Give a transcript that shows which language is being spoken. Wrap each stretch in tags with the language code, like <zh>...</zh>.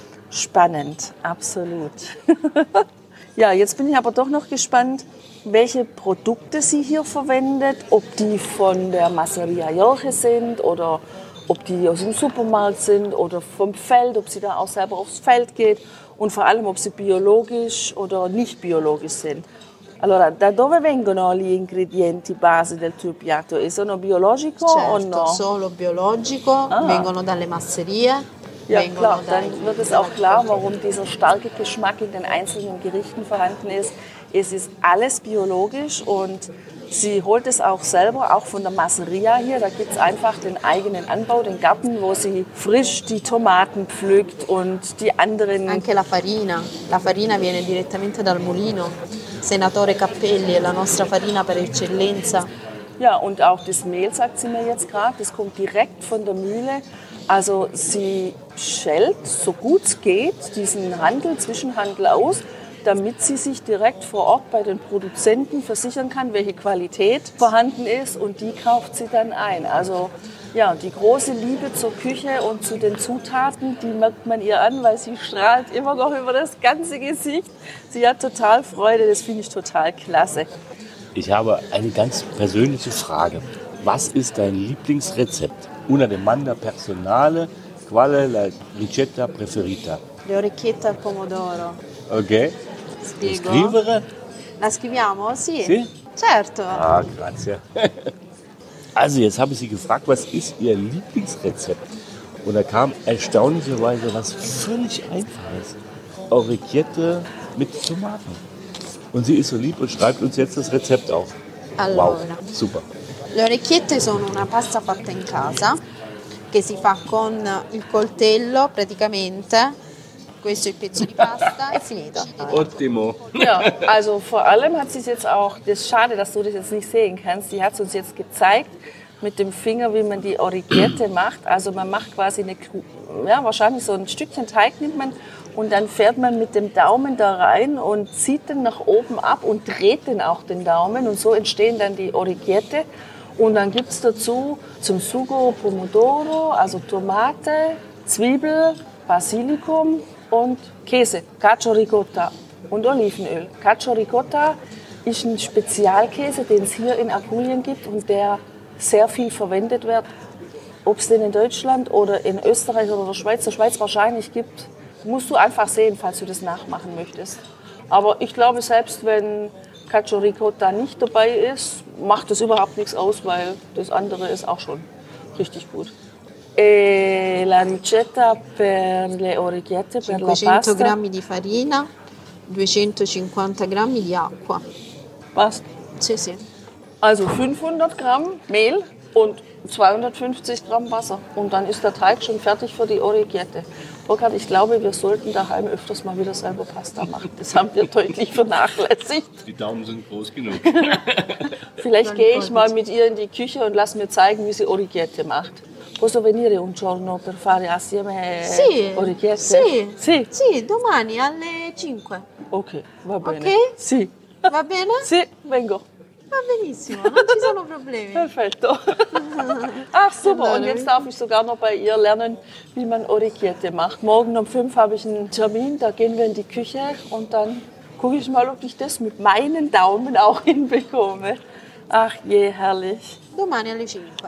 <de>Spannend, absolut. Ja, jetzt bin ich aber doch noch gespannt, welche Produkte sie hier verwendet, ob die von der Masseria Jorge sind oder ob die aus dem Supermarkt sind oder vom Feld, ob sie da auch selber aufs Feld geht und vor allem, ob sie biologisch oder nicht biologisch sind.</de> <it>Allora, da dove vengono gli ingredienti base del tuo piatto? E sono biologico, certo, o no? Certo, solo biologico, vengono dalle masserie.</it> <de>Ja, klar, dann wird es auch klar, warum dieser starke Geschmack in den einzelnen Gerichten vorhanden ist. Es ist alles biologisch und sie holt es auch selber, auch von der Masseria hier. Da gibt es einfach den eigenen Anbau, den Garten, wo sie frisch die Tomaten pflückt und die anderen...</de> <it>Anche la farina. La farina viene direttamente dal mulino. Senatore Cappelli è la nostra farina per eccellenza.</it> <de>Ja, und auch das Mehl, sagt sie mir jetzt gerade, das kommt direkt von der Mühle. Also sie schält, so gut es geht, diesen Handel, Zwischenhandel aus, damit sie sich direkt vor Ort bei den Produzenten versichern kann, welche Qualität vorhanden ist, und die kauft sie dann ein. Also ja, die große Liebe zur Küche und zu den Zutaten, die merkt man ihr an, weil sie strahlt immer noch über das ganze Gesicht. Sie hat total Freude, das finde ich total klasse. Ich habe eine ganz persönliche Frage. Was ist dein Lieblingsrezept?</de> <it>Una domanda personale, qual è la ricetta preferita? Le orecchiette al pomodoro. Ok. Spiego. Lo scrivere? La scriviamo? Sì. Sì? Certo. Ah, grazie.</it> <de>Also, jetzt habe ich sie gefragt, was ist ihr Lieblingsrezept? Und da kam erstaunlicherweise was völlig Einfaches. Orecchiette mit Tomaten. Und sie ist so lieb und schreibt uns jetzt das Rezept auf.</de> <it>Allora.</it> <de>Wow, super.</de> <it>Le orecchiette sono una pasta fatta in casa che si fa con il coltello praticamente. Questo è il pezzo di pasta e finito. Ottimo.</it> <de>Ja, also vor allem hat sie es jetzt auch, das ist schade, dass du das jetzt nicht sehen kannst. Sie hat es uns jetzt gezeigt mit dem Finger, wie man die Orecchiette macht. Also man macht quasi eine, ja, wahrscheinlich so ein Stückchen Teig nimmt man und dann fährt man mit dem Daumen da rein und zieht den nach oben ab und dreht den auch den Daumen und so entstehen dann die Orecchiette. Und dann gibt es dazu zum Sugo Pomodoro, also Tomate, Zwiebel, Basilikum und Käse, Cacio Ricotta und Olivenöl. Cacio Ricotta ist ein Spezialkäse, den es hier in Apulien gibt und der sehr viel verwendet wird. Ob es den in Deutschland oder in Österreich oder der Schweiz wahrscheinlich gibt, musst du einfach sehen, falls du das nachmachen möchtest. Aber ich glaube, selbst wenn Cacio Ricotta nicht dabei ist, macht das überhaupt nichts aus, weil das andere ist auch schon richtig gut.</de> <it>E la ricetta per le orecchiette, per la pasta? 500 grammi di farina, 250 grammi di acqua.</it> <de>Was?</de> <it>Sì, sì.</it> <de>Also 500 Gramm Mehl und 250 Gramm Wasser. Und dann ist der Teig schon fertig für die Orecchiette. Burkhard, ich glaube, wir sollten daheim öfters mal wieder selber Pasta machen. Das haben wir deutlich vernachlässigt. Die Daumen sind groß genug. Vielleicht gehe ich mal mit ihr in die Küche und lasse mir zeigen, wie sie Orecchiette macht.</de> <it>Posso venire un giorno per fare assieme Orecchiette? Sì, sì, sì, domani alle 5. Ok, va bene. Ok? Sì. Va bene? Sì, vengo. Benissimo, non ci sono problemi. Perfetto.</it> <de>Ach super, und jetzt darf ich sogar noch bei ihr lernen, wie man Orecchiette macht. Morgen um 5 habe ich einen Termin, da gehen wir in die Küche und dann gucke ich mal, ob ich das mit meinen Daumen auch hinbekomme. Ach je, herrlich.</de> <it>Domani alle 5.</it>